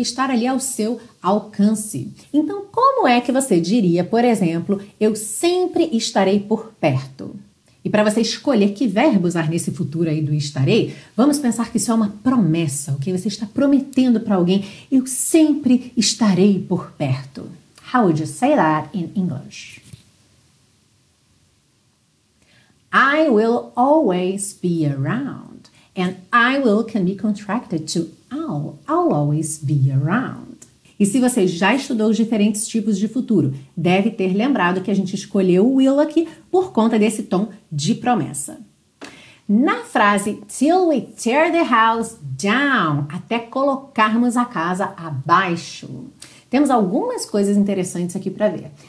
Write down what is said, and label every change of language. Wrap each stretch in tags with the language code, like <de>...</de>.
<pt>Estar ali ao seu alcance. Então, como é que você diria, por exemplo, eu sempre estarei por perto? E para você escolher que verbo usar nesse futuro aí do estarei, vamos pensar que isso é uma promessa, ok? Você está prometendo para alguém, eu sempre estarei por perto.</pt> <en>How would you say that in English? I will always be around. And I will can be contracted to I'll always be around.</en> <pt>E se você já estudou os diferentes tipos de futuro, deve ter lembrado que a gente escolheu o will aqui por conta desse tom de promessa. Na frase,</pt> <en>till we tear the house down,</en> <pt>até colocarmos a casa abaixo, temos algumas coisas interessantes aqui para ver.</pt>